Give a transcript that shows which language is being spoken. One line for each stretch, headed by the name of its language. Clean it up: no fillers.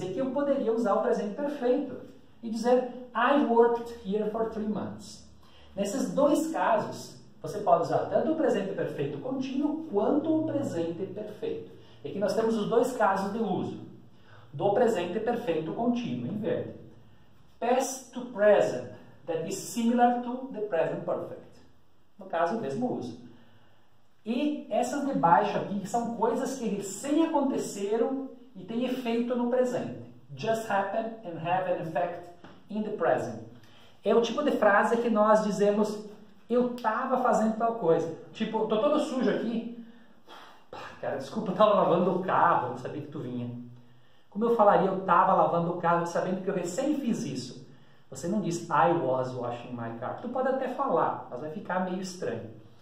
Portuguese: E aqui eu poderia usar o presente perfeito e dizer,
English: I worked here for 3 months.
Portuguese: Nesses 2 casos, você pode usar tanto o presente perfeito contínuo, quanto o presente perfeito. É que nós temos os dois casos de uso, do presente perfeito contínuo, em verde.
English: Past to present, that is similar to the present perfect.
Portuguese: No caso, o mesmo uso. E essas de baixo aqui são coisas que recém aconteceram e têm efeito no presente.
English: Just happened and have an effect in the present.
Portuguese: É o tipo de frase que nós dizemos, eu estava fazendo tal coisa. Tipo, tô todo sujo aqui. Cara, desculpa, eu tava lavando o carro, não sabia que tu vinha. Como eu falaria, eu tava lavando o carro sabendo que eu recém fiz isso? Você não diz,
English: I was washing my car.
Portuguese: Tu pode até falar, mas vai ficar meio estranho.